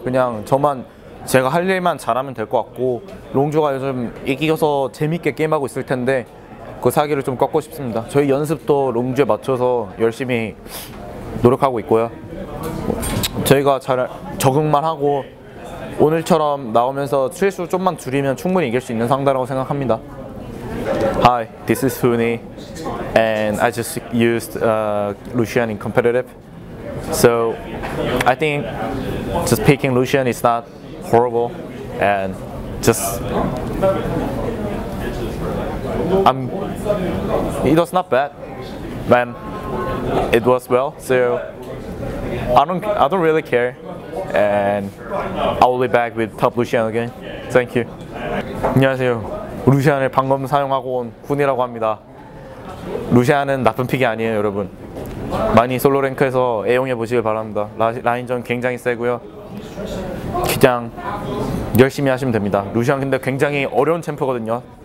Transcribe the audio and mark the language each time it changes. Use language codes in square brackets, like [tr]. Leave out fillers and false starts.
[ko] 그냥 저만 제가 할 일만 잘하면 될 것 같고 롱주가 요즘 이기어서 재밌게 게임하고 있을 텐데 그 사기를 좀 꺾고 싶습니다. 저희 연습도 롱주에 맞춰서 열심히 노력하고 있고요. 저희가 잘 적응만 하고 오늘처럼 나오면서 실수 좀만 줄이면 충분히 이길 수 있는 상대라고 생각합니다. [en] Hi, this is Huni, and I just used Lucian in competitive. So I think just picking Lucian is not horrible, and just it was not bad, man. It was well. So I don't really care. And I will be back with top Lucian again. Thank you. [ko] 안녕하세요. 루시안을 방금 사용하고 온 훈이라고 합니다. 루시안은 나쁜 픽이 아니에요, 여러분. 많이 솔로 랭크에서 애용해 보시길 바랍니다. 라인전 굉장히 세고요. 그냥 열심히 하시면 됩니다. 루시안 근데 굉장히 어려운 챔프거든요.